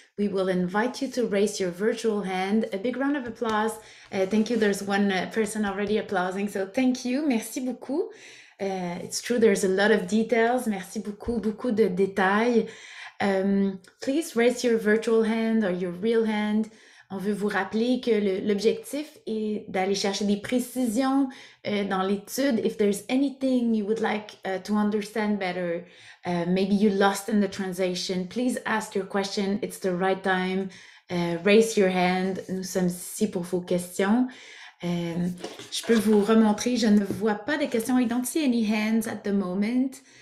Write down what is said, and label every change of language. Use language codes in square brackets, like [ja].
[en] We will invite you to raise your virtual hand. A big round of applause. Thank you. There's one person already applauding. So thank you. [fr] Merci beaucoup. [en] It's true, there's a lot of details. [fr] Merci beaucoup, beaucoup de détails. [en] Please raise your virtual hand or your real hand. [fr] On veut vous rappeler que l'objectif est d'aller chercher des précisions dans l'étude. [en] If there's anything you would like to understand better, maybe you lost in the translation, please ask your question. It's the right time. Raise your hand. [fr] Nous sommes ici pour vos questions. Je peux vous remontrer, je ne vois pas de questions. [en] I don't see any hands at the moment.